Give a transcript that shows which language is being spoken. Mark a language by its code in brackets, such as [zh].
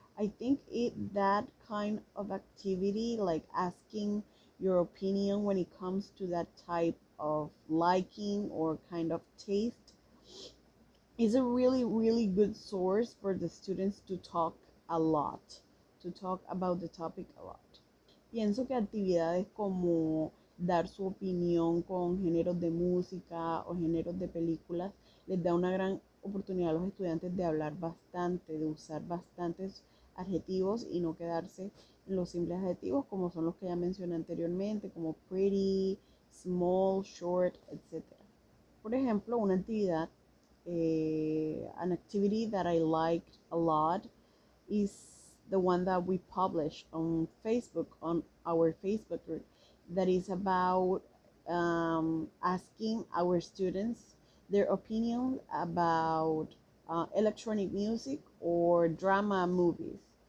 [en] I think it that kind of activity, like asking your opinion when it comes to that type of liking or kind of taste, is a really good source for the students to talk a lot, to talk about the topic a lot. [es] Pienso que actividades como dar su opinión con géneros de música o géneros de películas les da una gran oportunidad a los estudiantes de hablar bastante, de usar bastantes adjetivos y no quedarse en los simples adjetivos como son los que ya mencioné anteriormente, como pretty, small, short, etc. Por ejemplo, una actividad, [en] an activity that I liked a lot is the one that we publish on Facebook, on our Facebook group, that is about asking our students their opinion about electronic music or drama movies.